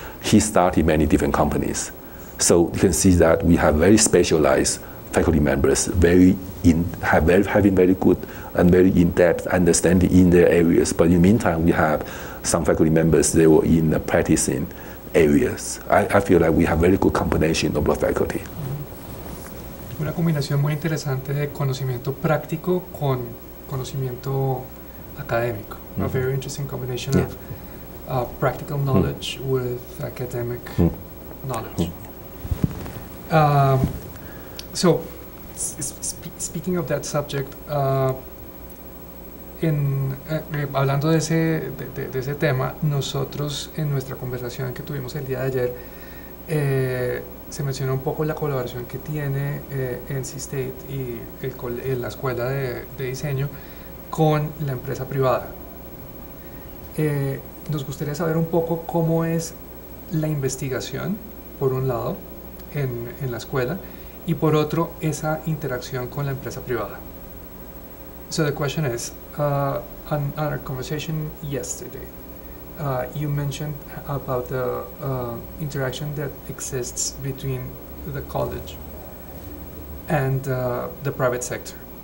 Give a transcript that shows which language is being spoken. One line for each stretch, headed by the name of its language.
English: He started many different companies. So you can see that we have very specialized faculty members, having very good and very in-depth understanding in their areas. But in the meantime, we have some faculty members, they were in the practicing areas. I feel like we have very good combination of the faculty.
Spanish: Una combinación muy interesante de conocimiento práctico con conocimiento académico.
English: Mm-hmm. A very interesting combination of practical knowledge with academic knowledge. Speaking of that subject,
Spanish: hablando de ese tema, nosotros en nuestra conversación que tuvimos el día de ayer, se mencionó un poco la colaboración que tiene NC State y la Escuela de Diseño con la empresa privada. Nos gustaría saber un poco cómo es la investigación, por un lado, en la escuela, y por otro, esa interacción con la empresa privada.
English: So the question is, on our conversation yesterday, you mentioned about the interaction that exists between the college and the private sector.